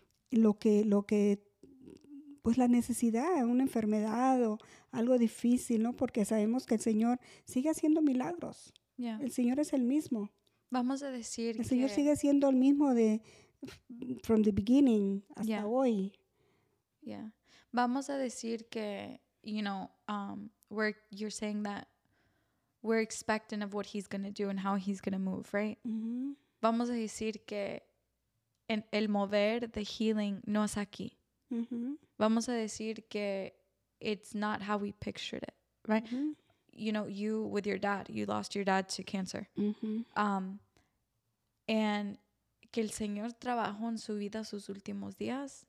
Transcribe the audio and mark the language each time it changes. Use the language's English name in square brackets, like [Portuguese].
[Spanish] Lo que pues la necesidad, una enfermedad o algo difícil, ¿no? Porque sabemos que el Señor sigue haciendo milagros. [English] Yeah. [Spanish] El Señor es el mismo. Vamos a decir que... El Señor sigue siendo el mismo de... [English] From the beginning [Spanish] hasta hoy. [English] Yeah. [Spanish] Vamos a decir que, [English] you know, you're saying that we're expecting of what he's going to do and how he's going to move, right? Mm-hmm. [Spanish] Vamos a decir que en el mover, [English] the healing, [Spanish] no es aquí. Mm-hmm. Vamos a decir que [English] it's not how we pictured it, right? Mm-hmm. You know, you with your dad, you lost your dad to cancer. Mm-hmm. And [Spanish] que el Señor trabajó en su vida sus últimos días.